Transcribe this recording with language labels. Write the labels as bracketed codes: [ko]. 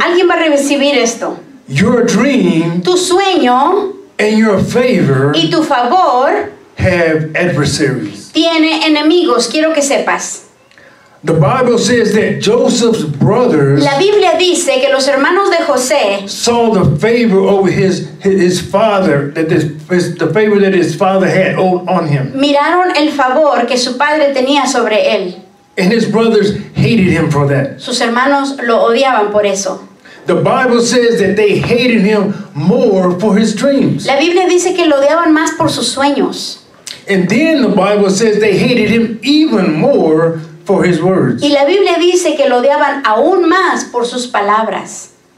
[es] Alguien va a recibir esto. [en] Your dream. [es] Tu sueño. [en] And your favor, [es] y tu favor, [en] have adversaries. [es] Tiene enemigos, quiero que sepas. [en] The Bible says that Joseph's brothers, [es] la Biblia dice que los hermanos de José, [en] saw the favor over his father, that this, the favor that his father had on him. [es] Miraron el favor que su padre tenía sobre él. [en] And his brothers hated him for that. [es] Sus hermanos lo odiaban por eso. [en] The Bible says that they hated him more for his dreams. [es] La Biblia dice que lo odiaban más por sus sueños. [en] And then the Bible says they hated him even more for his words. [es] Y la Biblia dice que lo odiaban aún más por sus palabras.